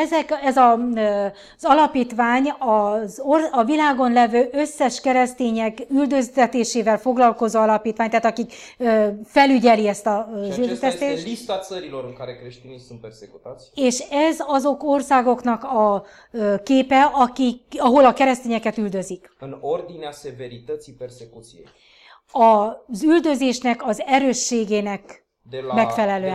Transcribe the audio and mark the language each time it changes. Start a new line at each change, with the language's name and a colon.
Hungarian: Ez az alapítvány a világon levő összes keresztények üldöztetésével foglalkozó alapítvány, tehát akik felügyeli ezt a üldöztetést.
Romanian: És ez lista țărilor în care creștinii sunt persecutați.
Hungarian: És ez azok országoknak a képe, akik, ahol a keresztényeket üldözik.
Romanian: În ordinea severității persecuției.
Hungarian: Az üldözésnek az erősségének
Romanian: de la,
Hungarian: megfelelően.